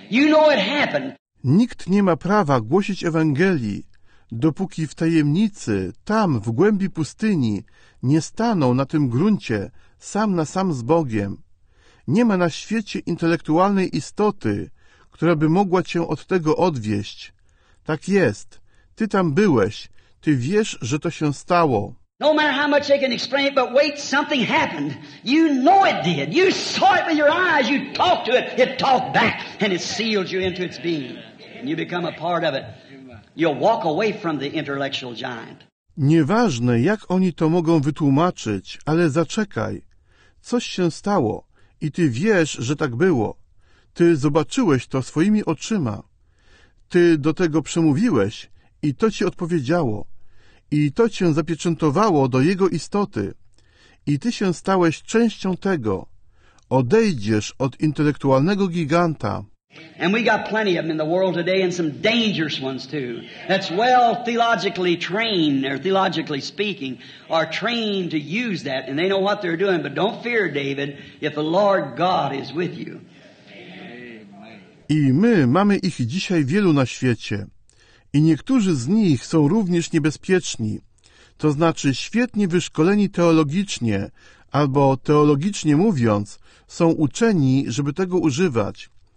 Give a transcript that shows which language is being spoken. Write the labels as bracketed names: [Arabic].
[English] You know it happened. [Polish] Nikt nie ma prawa głosić Ewangelii, dopóki w tajemnicy, tam w głębi pustyni, nie staną na tym gruncie sam na sam z Bogiem. Nie ma na świecie intelektualnej istoty, która by mogła cię od tego odwieść. Tak jest. Ty tam byłeś. Ty wiesz, że to się stało. [English] No matter how much they can explain it, but wait, something happened. You know it did. You saw it with your eyes. You talked to it. It talked back and it sealed you into its being. And you become a part of it. You'll walk away from the intellectual giant. [Polish] Nieważne, jak oni to mogą wytłumaczyć, ale zaczekaj. Coś się stało i ty wiesz, że tak było. Ty zobaczyłeś to swoimi oczyma. Ty do tego przemówiłeś i to ci odpowiedziało. I to cię zapieczętowało do jego istoty. I ty się stałeś częścią tego. Odejdziesz od intelektualnego giganta. [English] And we got plenty of them in the world today and some dangerous ones too. That's well theologically trained or theologically speaking are trained to use that and they know what they're doing. But don't fear, David, if the Lord God is with you. [Polish] I my mamy ich dzisiaj wielu na świecie. I niektórzy z nich są również niebezpieczni. To znaczy świetnie wyszkoleni teologicznie, albo teologicznie mówiąc, są uczeni, żeby tego używać.